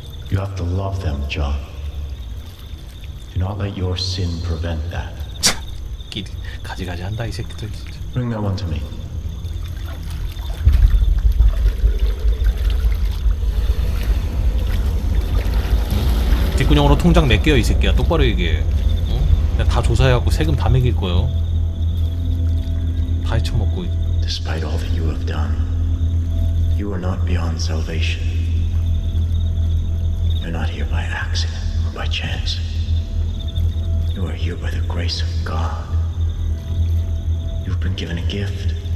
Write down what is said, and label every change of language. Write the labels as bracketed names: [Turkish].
[English] You have to love them, John. Do not let your sin prevent that. [Korean] 가지가지 한다 이 새끼들 진짜. [English] Bring that one to me. [Korean] 뒷구녕으로 통장 몇 개야 이 새끼야? 똑바로 얘기해. 응? 내가 다 조사해갖고 세금 다 매길 거요. 파헤쳐먹고. [English] Despite all that you have done, you are not beyond salvation. You're not here by accident or by chance. You are here by the grace of God. You've been given a gift.